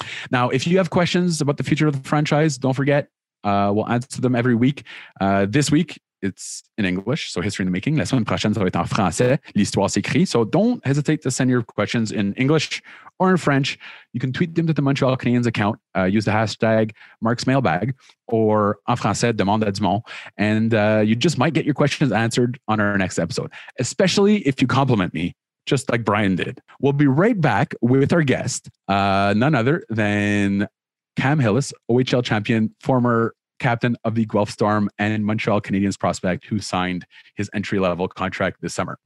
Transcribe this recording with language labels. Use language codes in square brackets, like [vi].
[en] Now, if you have questions about the future of the franchise, don't forget, we'll answer them every week. This week, it's in English, so history in the making. [fr] La semaine prochaine, ça va être en français. L'histoire s'écrit. [en] So don't hesitate to send your questions in English or in French. You can tweet them to the Montreal Canadiens account. Use the hashtag Mark's Mailbag or [fr] en français, demande à Dumont. [en] And you just might get your questions answered on our next episode, especially if you compliment me, just like Brian did. We'll be right back with our guest, none other than Cam Hillis, OHL champion, former captain of the Guelph Storm and Montreal Canadiens prospect who signed his entry-level contract this summer.